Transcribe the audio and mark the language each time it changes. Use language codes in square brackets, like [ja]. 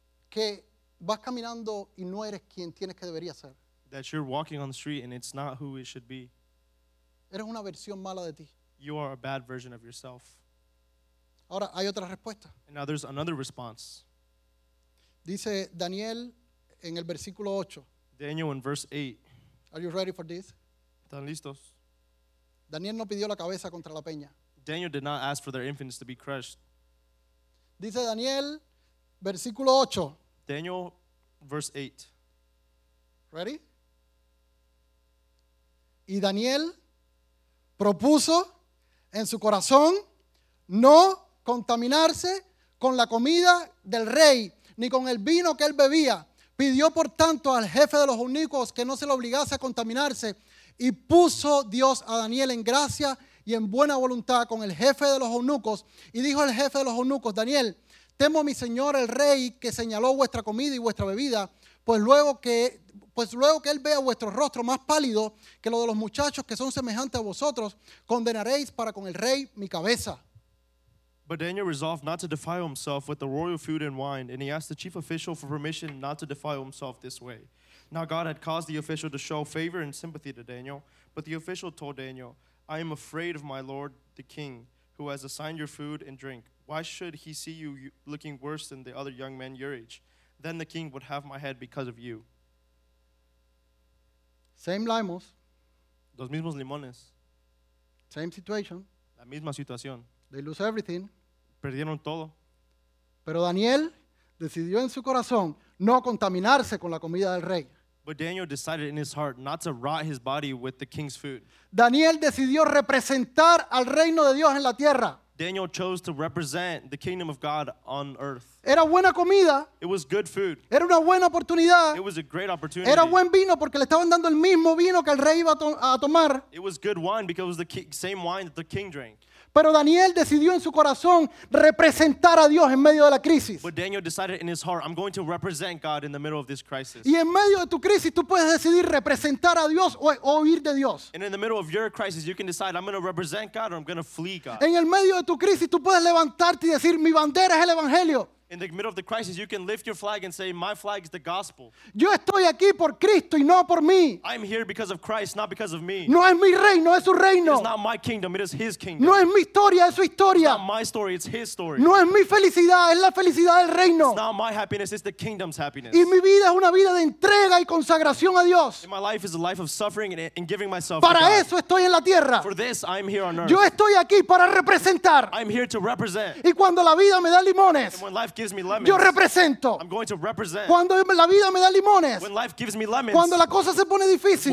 [es] Que vas caminando y no eres quien tienes que debería ser. [en] That you're walking on the street and it's not who it should be. [es] Eres una versión mala de ti. [en] You are a bad version of yourself. [es] Ahora, hay otra respuesta. [en] And now there's another response. [es] Dice Daniel en el versículo 8. [en] Daniel in verse 8. Are you ready for this? [es] ¿Están listos? Daniel no pidió la cabeza contra la peña. [en] Daniel did not ask for their infants to be crushed. [es] Dice Daniel, versículo 8. [en] Daniel, verse 8. Ready? [es] Y Daniel propuso en su corazón no contaminarse con la comida del rey ni con el vino que él bebía. Pidió por tanto al jefe de los eunucos que no se le obligase a contaminarse. Y puso Dios a Daniel en gracia y en buena voluntad con el jefe de los eunucos. Y dijo el jefe de los eunucos, Daniel, temo a mi señor el rey que señaló vuestra comida y vuestra bebida, pues luego que él vea vuestro rostro más pálido que lo de los muchachos que son semejantes a vosotros, condenaréis para con el rey mi cabeza. [en] But Daniel resolved not to defile himself with the royal food and wine, and he asked the chief official for permission not to defile himself this way. Now God had caused the official to show favor and sympathy to Daniel, but the official told Daniel, I am afraid of my lord, the king, who has assigned your food and drink. Why should he see you looking worse than the other young men your age? Then the king would have my head because of you. Same limos. [es] Los mismos limones. [en] Same situation. [es] La misma situación. [en] They lose everything. [es] Perdieron todo. Pero Daniel decidió en su corazón no contaminarse con la comida del rey. [en] But Daniel decided in his heart not to rot his body with the king's food. [es] Daniel decidió representar al reino de Dios en la tierra. [en] Daniel chose to represent the kingdom of God on earth. [es] Era buena comida. [en] It was good food. [es] Era una buena oportunidad. [en] It was a great opportunity. [es] Era buen vino porque le estaban dando el mismo vino que el rey iba a tomar. [en] It was good wine because it was the same wine that the king drank. [es] Pero Daniel decidió en su corazón representar a Dios en medio de la crisis. [en] But Daniel decided in his heart, I'm going to represent God in the middle of this crisis. [es] Y en medio de tu crisis, tú puedes decidir representar a Dios o huir de Dios. [en] And in the middle of your crisis, you can decide, I'm going to represent God or I'm going to flee God. [es] En el medio de tu crisis, tú puedes levantarte y decir, mi bandera es el evangelio. [en] In the middle of the crisis, you can lift your flag and say, my flag is the gospel. [es] Yo estoy aquí por Cristo y no por mí. [en] I'm here because of Christ, not because of me. [es] No es mi reino, es su reino. [en] It's not my kingdom, it is his kingdom. [es] No es mi historia, es su historia. [en] It's not my story, it's his story. [es] No es mi felicidad, es la felicidad del reino. [en] It's not my happiness, it's the kingdom's happiness. [es] Y mi vida es una vida de entrega y consagración a Dios. [en] And my life is a life of suffering and giving myself [es] para [en] to God. [es] Eso estoy en la tierra. [en] For this, I'm here on earth. [es] Yo estoy aquí para representar. [en] I'm here to represent. [es] Y cuando la vida me da limones. [en] And when life gives me lemons. [es] Yo represento. [en] I'm going to represent. [es] Cuando la vida me da limones. [en] When life gives me lemons. [es] Cuando la cosa se pone difícil.